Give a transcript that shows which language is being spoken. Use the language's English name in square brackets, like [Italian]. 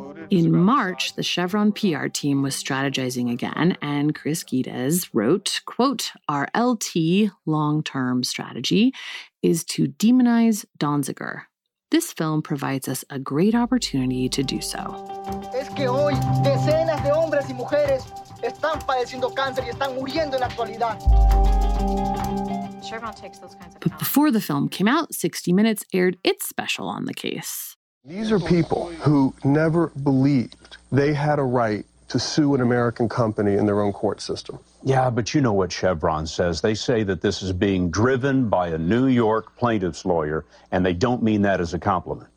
[English] In March, the Chevron PR team was strategizing again, and Chris Guidez wrote, quote, our LT, long-term strategy, is to demonize Donziger. This film provides us a great opportunity to do so. [Spanish] Es que hoy decenas de hombres y mujeres están padeciendo cáncer y están muriendo en la actualidad. [English] Chevron takes those kinds of But before the film came out, 60 Minutes aired its special on the case. These are people who never believed they had a right to sue an American company in their own court system. Yeah, but you know what Chevron says. They say that this is being driven by a New York plaintiff's lawyer, and they don't mean that as a compliment.